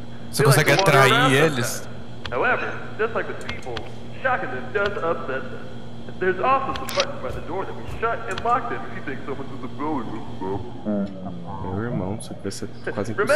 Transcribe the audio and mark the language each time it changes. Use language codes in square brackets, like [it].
[pt] Você consegue atrair eles? [en] However, just like with people, shocking them does upset them. There's also some buttons by the door that we shut and locked them if you think someone's in the building. [pt] Meu irmão, isso aqui vai ser quase impossível.